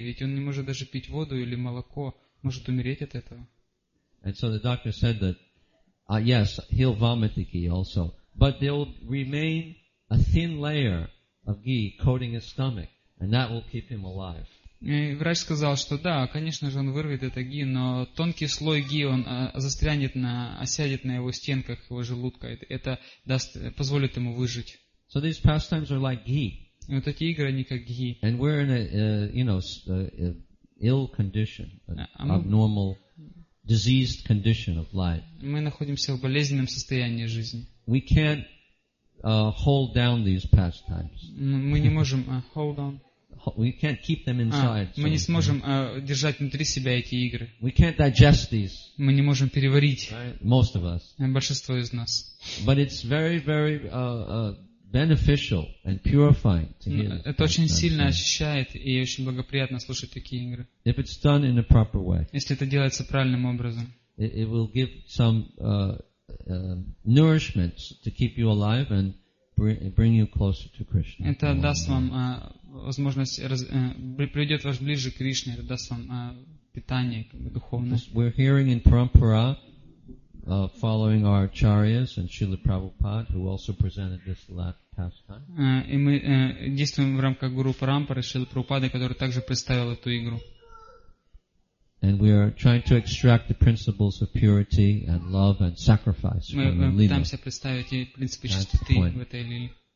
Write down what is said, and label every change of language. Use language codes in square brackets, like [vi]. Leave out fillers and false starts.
[ru] Ведь он не может даже пить воду или молоко. Может умереть от этого. [en] And so the doctor said that yes, he'll vomit the ghee also, but there'll remain a thin layer of ghee coating his stomach, and that will keep him alive. [ru] Врач сказал, что да, конечно же, он вырвет это ги, но тонкий слой ги он застрянет на, осядет на его стенках его желудка. Это даст, позволит ему выжить. [en] So these pastimes are like ghee. [ru] И вот эти игры, они как ги. [en] And we're in ill condition, an abnormal, diseased condition of life. [ru] Мы находимся в болезненном состоянии жизни. [en] We can't hold down these pastimes. [ru] Мы не можем [en] hold on. We can't keep them inside. [ru] Мы не сможем держать внутри себя эти игры. [en] We can't digest these. [ru] Мы не можем переварить. [en] Right? Most of us. [ru] Большинство из нас. [en] But it's very, very beneficial and purifying to hear. [ru] Это очень сильно очищает и очень благоприятно слушать такие игры. [en] If it's done in a proper way. [ru] Если это делается правильным образом. [en] It will give some nourishment to keep you alive and bring you closer to Krishna. [ru] Это даст вам возможность приведет вас ближе к Кришне, даст вам питание духовное. [en] We're hearing in Parampara. Following our acharyas and Srila Prabhupada, who also presented this last pastime. [ru] И мы действуем в рамках Гуру Парампары, Шрилы Прабхупады, который также представил эту игру. [en] And we are trying to extract the principles of purity and love and sacrifice from the lila. [ru] Мы пытаемся представить принципы чистоты в этой лиле.